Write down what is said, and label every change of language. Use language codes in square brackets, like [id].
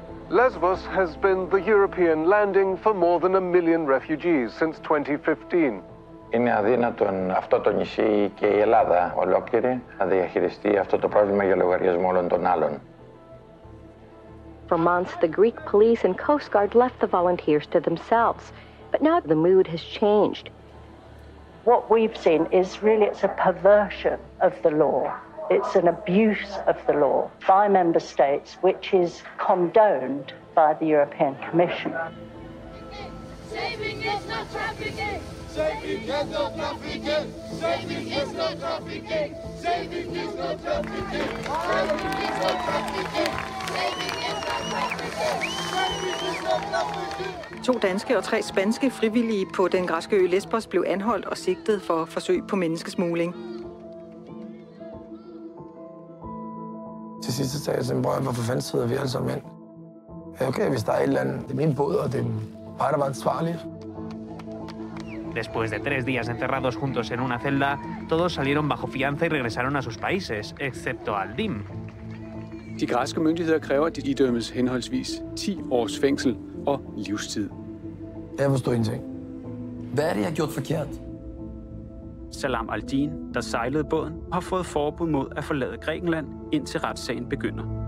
[en] Lesbos has been the European landing for more than a million refugees since 2015. [el] Είναι αδύνατον αυτό το νησί και η Ελλάδα ολόκληρη να διαχειριστεί αυτό το πρόβλημα για λογαριασμό όλων των άλλων. [en] For months, the Greek police and Coast Guard left the volunteers to themselves, but now the mood has changed. What we've seen is really it's a perversion of the law. It's an abuse of the law by member states, which is condoned by the European Commission. Saving is not trafficking! Saving is not trafficking! Saving is not trafficking! Saving is not trafficking! Saving is not trafficking! [da] To danske og 3 spanske frivillige på den græske ø Lesbos blev anholdt og sigtet for forsøg på menneskesmugling. Til sidst sagde jeg simpelthen, hvorfor fanden sidder vi alle sammen ind? Okay, hvis der er et eller andet, det er min båd, og det er mig, der var ansvarlig. [es] Después de 3 días encerrados juntos en una celda, todos salieron bajo fianza y regresaron a sus países, excepto Aldim. [da] De græske myndigheder kræver, at de idømmes henholdsvis 10 års fængsel og livstid. Jeg forstår en ting. Hvad er det, jeg har gjort forkert? Salam al-Din, der sejlede båden, har fået forbud mod at forlade Grækenland, indtil retssagen begynder.